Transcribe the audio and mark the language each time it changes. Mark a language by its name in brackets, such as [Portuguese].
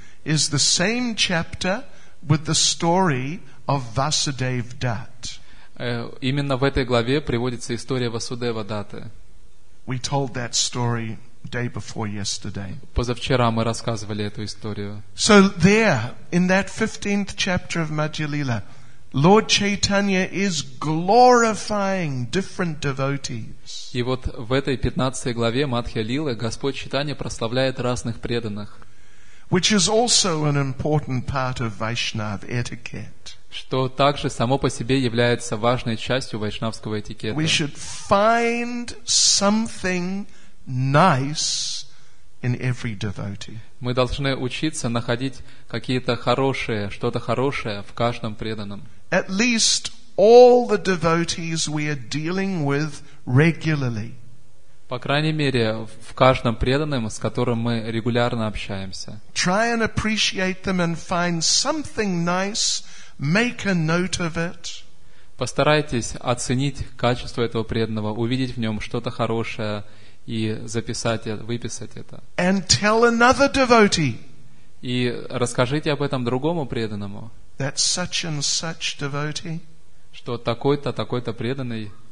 [English] Is the same chapter with the story of Vasudev Dat. [Russian] Именно в этой главе приводится история Васудева Даты. [English] We told that story day before yesterday. [Russian] Позавчера мы рассказывали эту историю. [English] So there, in that 15th chapter of Madhya Lila, Lord Chaitanya is glorifying different devotees. [Russian] И вот в этой 15 главе Мадхья Лилы Господь Чайтанья прославляет разных преданных. [English] Which is also an important part of Vaishnava etiquette. [Russian] Что также само по себе является важной частью вайшнавского этикета. [English] We should find something nice in every devotee. [Russian] Мы должны учиться находить какие-то хорошие, что-то хорошее в каждом преданном. [English] At least all the devotees we are dealing with regularly. [Russian] По крайней мере, в каждом преданном, с которым мы регулярно общаемся. [English] Try and appreciate them and find something nice, make a note of it. [Russian] Постарайтесь оценить качество этого преданного, увидеть в нем что-то хорошее и записать, выписать это. [English] And tell another devotee. [Russian] И расскажите об этом другому преданному. [English] That such and such devotee. [Russian] Что такой-то, такой-то преданный.